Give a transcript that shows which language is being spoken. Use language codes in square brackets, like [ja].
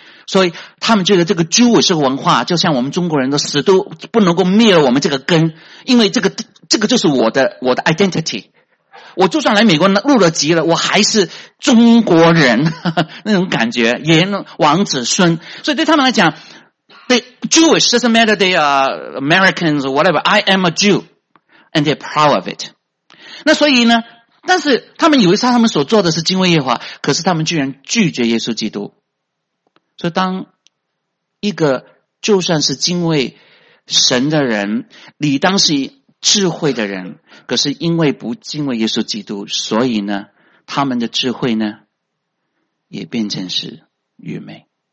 [zh] 所以他们觉得这个猪是个文化，就像我们中国人的死都不能够灭了我们这个根，因为这个就是我的 identity。我就算来美国入了籍了，我还是中国人，呵呵，那种感觉，炎王子孙。所以对他们来讲， [en] they, Jewish doesn't matter, they are Americans or whatever, I am a Jew, and they're proud of it. [zh] 那所以呢，但是他们以为他们所做的是敬畏耶和华，可是他们居然拒绝耶稣基督。所以当一个就算是敬畏神的人，你当时智慧的人，可是因为不敬畏耶稣基督，所以呢，他们的智慧呢，也变成是愚昧。